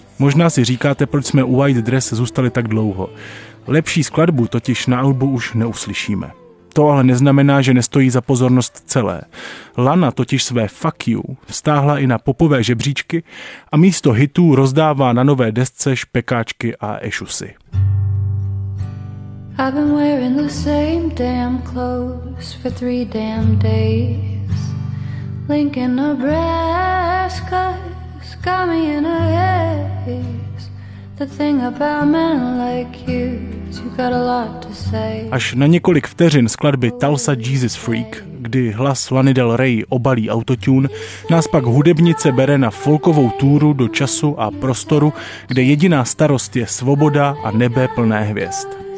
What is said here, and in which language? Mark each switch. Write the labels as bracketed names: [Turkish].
[Czech] Možná si říkáte, proč jsme u White Dress zůstali tak dlouho. Lepší skladbu totiž na albu už neuslyšíme. To ale neznamená, že nestojí za pozornost celé. Lana totiž své Fuck You stáhla i na popové žebříčky a místo hitů rozdává na nové desce špekáčky a ešusy. [English] I've been wearing the same damn clothes for 3 damn days. Linking Nebraska got me in a haze. The thing about men like you, you got a lot to say. [Czech] Až na několik vteřin skladby Tulsa Jesus Freak, kdy hlas Lany Del Rey obalí autotune, nás pak hudebnice bere na folkovou túru do času a prostoru, kde jediná starost je svoboda a nebe plné hvězd.